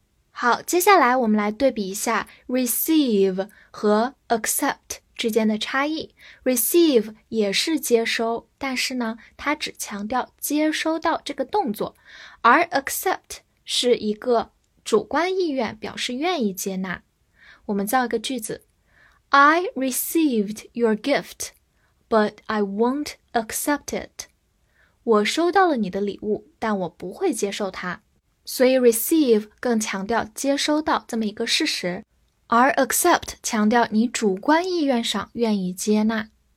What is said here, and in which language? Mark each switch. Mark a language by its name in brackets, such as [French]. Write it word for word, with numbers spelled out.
[Chinese] 好，接下来我们来对比一下 receive 和 accept 之间的差异。 receive 也是接收，但是呢它只强调接收到这个动作，而 accept 是一个主观意愿，表示愿意接纳。我们造一个句子 [English] I received your gift but I won't accept it。 [Chinese] 我收到了你的礼物，但我不会接受它。所以 receive 更强调接收到这么一个事实，而 accept 强调你主观意愿上愿意接纳。